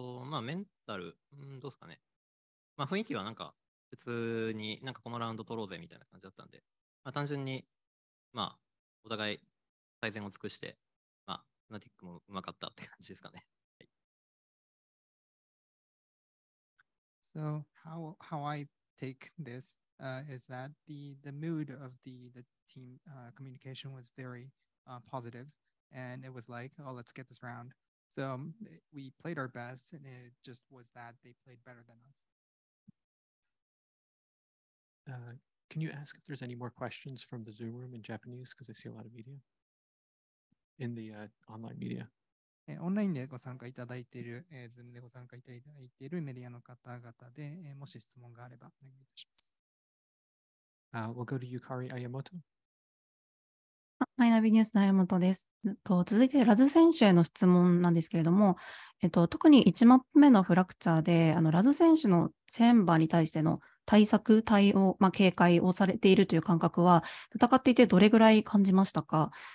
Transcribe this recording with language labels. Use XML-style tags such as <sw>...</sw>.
<ja>まあメンタル、どうですかね。まあ雰囲気はなんか普通になんかこのラウンド取ろうぜみたいな感じだったんで、まあ、単純にまあお互い最善を尽くして、まあ、Fnaticもうまかったって感じですかね。はい、</ja> <en>So how I take this is that the mood of the team communication was very positive and it was like, oh, let's get this round. So we played our best and it just was that they played better than us. Can you ask if there's any more questions from the Zoom room in Japanese? Because I see a lot of media in the online media.</en> <ja>オンラインでご参加いただいている、Zoom でご参加いただいているメディアの方々で、もし質問があればお願いいたします。</ja> <en>We'll go to Yukari Ayamoto.</en> <ja>マイナビニュースの Ayamoto です。続いてラズ選手への質問なんですけれども、特に1マップ目のフラクチャーで、ラズ選手のチェンバーに対しての対策、対応、まあ、警戒をされているという感覚は、戦っていてどれぐらい感じましたか。</ja>